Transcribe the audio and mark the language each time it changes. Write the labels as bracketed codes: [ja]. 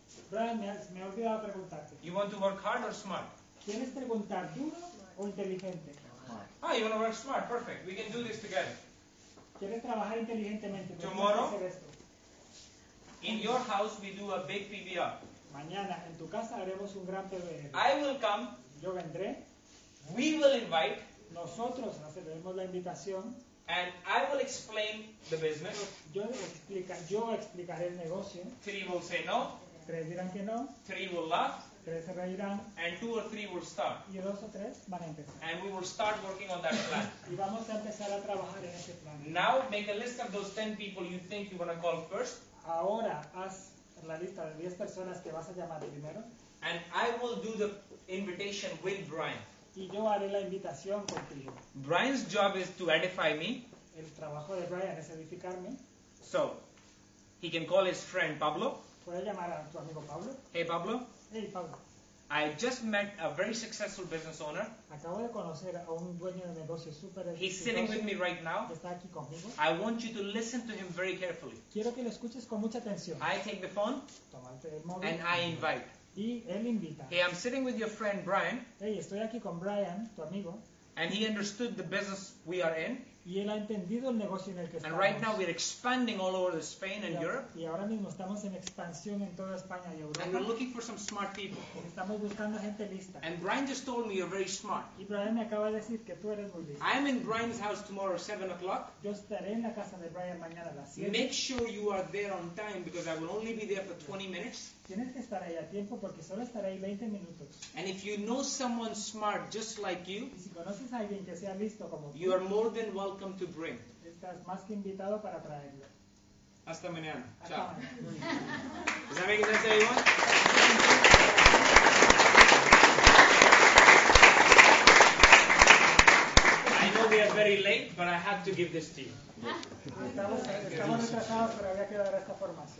[es] Brian, me he olvidado preguntarte. [en] You want to work hard or smart? [es] ¿Quieres preguntar duro o inteligente? [en] Ah, you want to work smart. Perfect. We can do this together. [es] ¿Quieres trabajar inteligentemente? [en] Tomorrow? In your house, we do a big PBR. [es] Mañana, en tu casa, haremos un gran PBR. [en] I will come. [es] Yo vendré. [en] We will invite. [es] Nosotros haremos la invitación. [en] And I will explain the business. [es] Yo explicaré el negocio. [en] 3 will say no. [es] 3 dirán que no. [en] 3 will laugh. [es] 3 se reirán. [en] And 2 or 3 will start. [es] Y 2 o 3 van a empezar. [en] And we will start working on that plan. [es] Y vamos a empezar a trabajar en ese plan. [en] Now make a list of those 10 people you think you want to call first. [es] Ahora haz la lista de 10 personas que vas a llamar primero. [en] And I will do the invitation with Brian. [es] y yo haré la invitación contigo. [en] Brian's job is to edify me. [es] El trabajo de Brian es edificarme. [en] So, he can call his friend Pablo. [es] ¿Puede llamar a tu amigo Pablo? [en] Hey, Pablo. [es] Hey, Pablo. [en] I just met a very successful business owner. [es] Acabo de conocer a un dueño de negocio super [en] He's [es] exitoso. [en] Sitting with me right now. [es] Está aquí conmigo. [en] I want you to listen to him very carefully. [es] Quiero que lo escuches con mucha atención. [en] I take the phone. [es] Tómate el móvil. [en] And I invite. [es] Y él invita. [en] Hey, I'm sitting with your friend Brian. [es] Hey, estoy aquí con Brian, tu amigo. [en] And he understood the business we are in. [es] Y él ha entendido el negocio en el que estamos. [en] And right now we're expanding all over Spain and Europe. [es] Y ahora mismo estamos en expansión en toda España y Europa. [en] And we're looking for some smart people. [es] Estamos buscando gente lista. [en] And Brian just told me you're very smart. [es] Y Brian me acaba de decir que tú eres muy listo. [en] I'm in Brian's house tomorrow at 7 o'clock. [es] Yo estaré en la casa de Brian mañana a las 7. [en] Make sure you are there on time because I will only be there for 20 minutes. [es] Tienes que estar ahí a tiempo porque solo estaré ahí 20 minutos. [en] And if you know someone smart just like you, [es] y si conoces a alguien que sea listo como tú, [en] you are more than welcome to bring. [es] Estás más que invitado para traerlo. Hasta mañana. Hasta Chao. Mañana. [en] Does that make sense to everyone? I know we are very late, but I have to give this to you. [es] Estamos retrasados, pero había que dar esta formación.